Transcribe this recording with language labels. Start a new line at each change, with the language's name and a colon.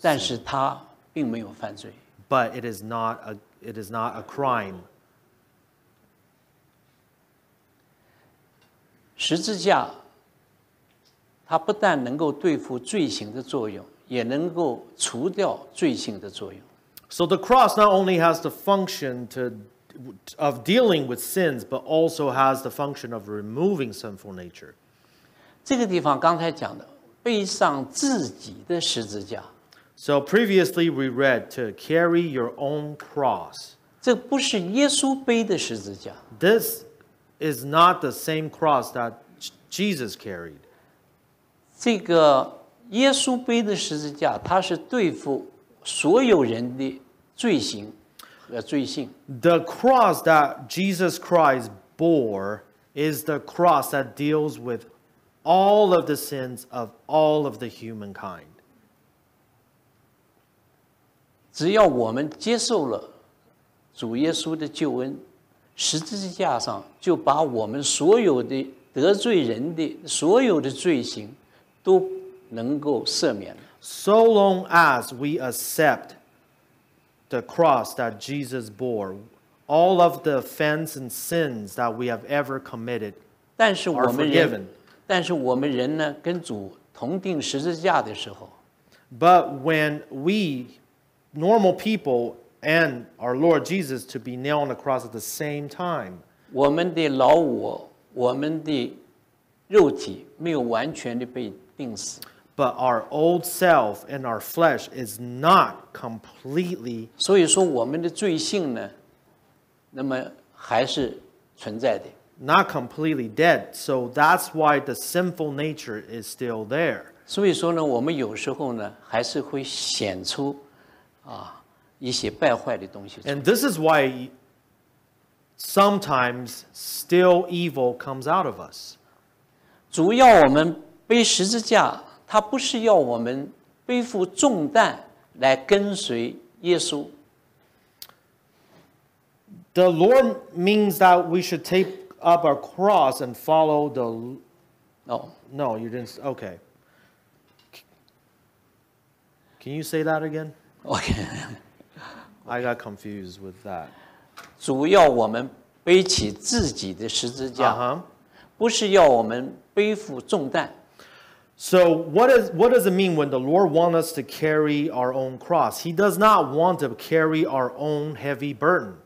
Chinese: 但是他并没有犯罪。
English: But it is not a crime.
Chinese: 十字架，它不但能够对付罪行的作用，也能够除掉罪行的作用。
English: So the cross not only has the function of dealing with sins, but also has the function of removing sinful nature.
Chinese: 这个地方刚才讲的，背上自己的十字架。
English: So previously we read to carry your own cross.
Chinese: 这不是耶稣背的十字架。
English: This is not the same cross that Jesus carried.
Chinese: 这个耶稣背的十字架，它是对付所有人的罪行和罪性。
English: The cross that Jesus Christ bore is the cross that deals with all of the sins of all of the humankind.
Chinese: 只要我们接受了主耶稣的救恩，十字架上就把我们所有的得罪人的所有的罪行都能够赦免了。
English: So long as we accept the cross that Jesus bore, all of the offense and sins that we have ever committed are forgiven.
Chinese: 但是我们人呢，跟主同钉十字架的时候，
English: But when we, normal people, and our Lord Jesus to be nailed on the cross at the same time,
Chinese: 我们的老我，我们的肉体没有完全的被钉死。
English: But our old self and our flesh is not completely.
Chinese: 所以说我们的罪性呢，那么还是存在的。
English: Not completely dead. So that's why the sinful nature is still there.
Chinese: 所以说呢，我们有时候呢，还是会显出啊一些败坏的东西。
English: And this is why sometimes still evil comes out of us.
Chinese: 主要我们背十字架。他不是要我们背负重担来跟随耶稣。
English: The Lord means that we should take up our cross and follow the. No. No, you didn't. Okay. Can you say that again? Okay. I got confused with that.
Chinese: 主要我们背起自己的十字架， uh-huh. 不是要我们背负重担。
English: So what does it mean when the Lord wants us to carry our own cross? He does not want to carry our own heavy burden.